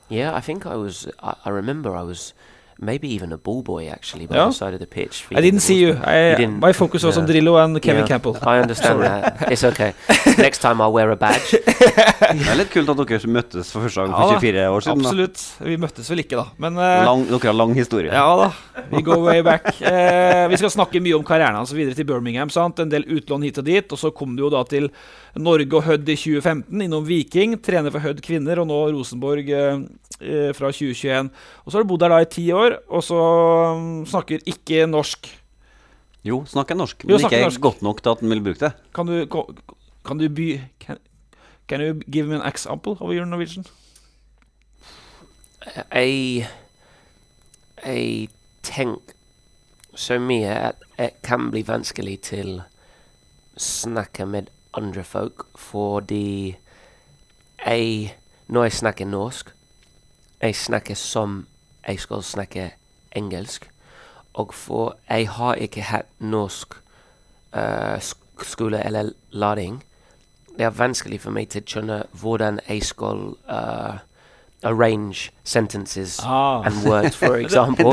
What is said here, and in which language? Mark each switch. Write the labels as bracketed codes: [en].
[en] Yeah, I think I was, I remember I was maybe even a ball boy actually by the side of the pitch. I didn't see you. My focus was on Drillo and Kevin Campbell. I understand that. It's okay. Next time I'll wear a badge. [no] Det litt kult at dere møttes for første gang for 24 år siden. Absolutt. Vi møttes vel ikke da. Men, dere har lang historie. Ja da. [en] We go way back. [no] Vi skal snakke mye om karrieren hans videre til Birmingham, sant? En del utlån hit og dit. Og så kom du jo da til Norge og Hødd I 2015 innom Viking. Trener for Hødd kvinner og nå Rosenborg... fra 2021. Og så har du bodd der da I 10 år og så snakker ikke norsk. Jo, snakker norsk, men jo, snakker ikke norsk. Godt nok til at den vil bruke det. [en] Can you give me an example of your Norwegian? [no] A tenk så mye at det kan bli vanskelig til snakke med andre folk, fordi jeg, når jeg snakker norsk, jeg snakker som jeg skal snakke engelsk, og for jeg har ikke hatt norsk skole eller læring, det er vanskelig for meg til å skjønne hvordan jeg skal [en] arrange sentences and words, for example.